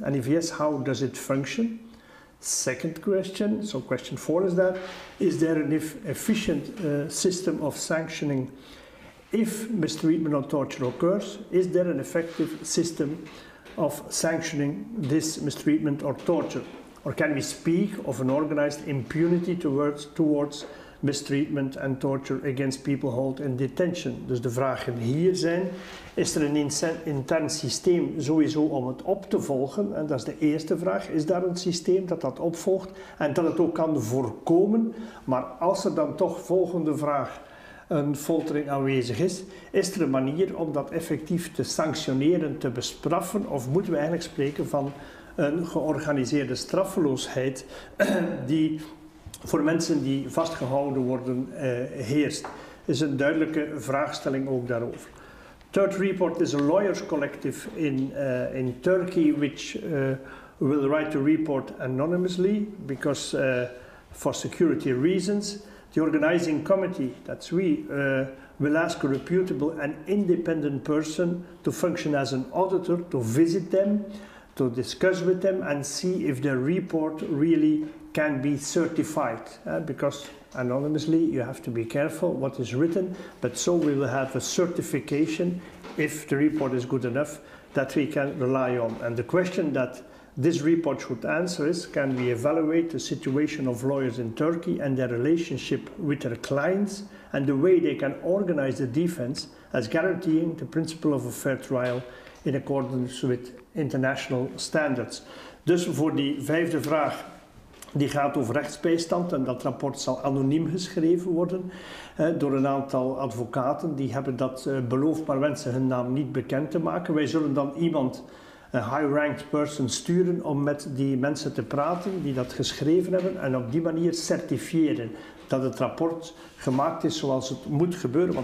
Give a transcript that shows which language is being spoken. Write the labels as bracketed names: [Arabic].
[English] And if yes, how does it function? Second question, so question four is that, is there an efficient system of sanctioning if mistreatment or torture occurs? Is there an effective system of sanctioning this mistreatment or torture? Or can we speak of an organized impunity towards mistreatment and torture against people held in detention? [Dutch] Dus de vragen hier zijn, is er een intern systeem sowieso om het op te volgen? En dat is de eerste vraag. Is daar een systeem dat dat opvolgt en dat het ook kan voorkomen? Maar als er dan toch, volgende vraag, een foltering aanwezig is, is er een manier om dat effectief te sanctioneren, te bestraffen? Of moeten we eigenlijk spreken van een georganiseerde straffeloosheid die voor mensen die vastgehouden worden heerst? Is een duidelijke vraagstelling ook daarover. [English] Third report is a lawyers' collective in Turkey, which will write a report anonymously because for security reasons. The organizing committee, that's we, will ask a reputable and independent person to function as an auditor, to visit them, to discuss with them and see if their report really can be certified. Because anonymously, you have to be careful what is written, but so we will have a certification if the report is good enough that we can rely on. And the question that this report should answer is, can we evaluate the situation of lawyers in Turkey and their relationship with their clients and the way they can organize the defense as guaranteeing the principle of a fair trial in accordance with international standards. [Dutch] Dus voor die vijfde vraag, die gaat over rechtsbijstand en dat rapport zal anoniem geschreven worden door een aantal advocaten. Die hebben dat beloofd, maar wensen hun naam niet bekend te maken. Wij zullen dan iemand, een [English] high-ranked person, [Dutch] sturen om met die mensen te praten die dat geschreven hebben en op die manier certifiëren dat het rapport gemaakt is zoals het moet gebeuren.